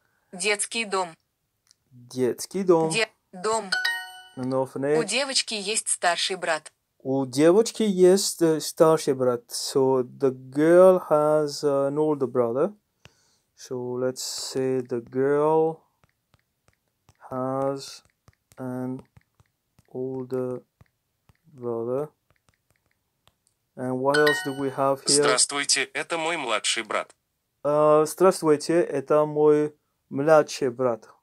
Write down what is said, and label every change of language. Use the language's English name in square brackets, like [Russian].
[Russian] Детский дом. Детский дом. Дом. [English] An orphanage. [Russian] У девочки есть старший брат. У девочки есть старший брат. [English] So the girl has an older brother. So let's say the girl has an older brother. And what else do we have here? [Russian] Здравствуйте, это мой младший брат. Здравствуйте, это мой младший брат.